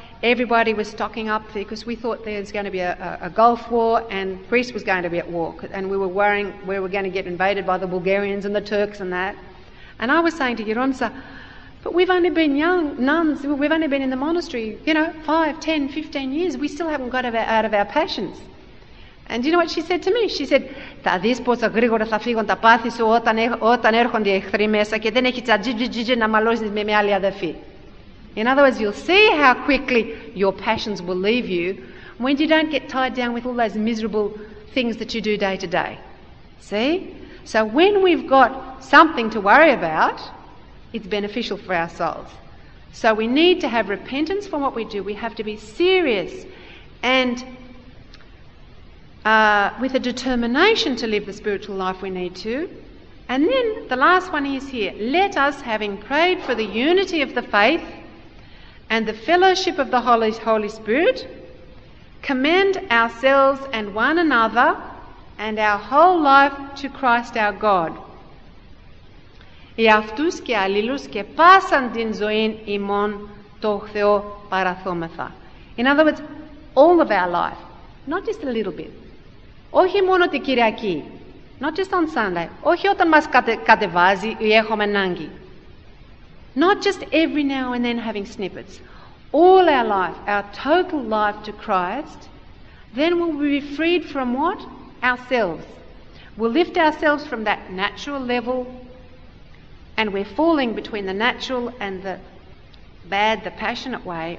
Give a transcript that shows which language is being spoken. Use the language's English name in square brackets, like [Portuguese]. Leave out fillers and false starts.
[English] Everybody was stocking up there because we thought there was going to be a Gulf War and Greece was going to be at war. And we were worrying we were going to get invaded by the Bulgarians and the Turks and that. And I was saying to Yeronsa, but we've only been young nuns, we've only been in the monastery, you know, 5, 10, 15 years. We still haven't got out of our passions. And do you know what she said to me? [Greek] She said, «Τα δίσποτα γρήγορα θα φύγουν τα πάθη σου όταν έρχονται οι εχθροί μέσα και δεν έχεις τζιτζιτζιτζι να μαλώσεις με άλλη αδερφή». [English] In other words, you'll see how quickly your passions will leave you when you don't get tied down with all those miserable things that you do day to day. See? So when we've got something to worry about, it's beneficial for our souls. So we need to have repentance for what we do. We have to be serious and with a determination to live the spiritual life we need to. And then the last one is here. Let us, having prayed for the unity of the faith and the fellowship of the Holy Spirit, commend ourselves and one another and our whole life to Christ our God. [Greek] Εαυτούς και αλλήλους και πάσαν την ζωήν ημών το Θεό παραθώμεθα. [English] In other words, all of our life, not just a little bit. [Greek] Όχι μόνο την Κυριακή, [English] not just on Sunday. [Greek] Όχι όταν μας κατεβάζει ή έχουμε ανάγκη. [English] Not just every now and then having snippets. All our life, our total life to Christ, then we'll be freed from what? Ourselves. We'll lift ourselves from that natural level, and we're falling between the natural and the bad, the passionate way.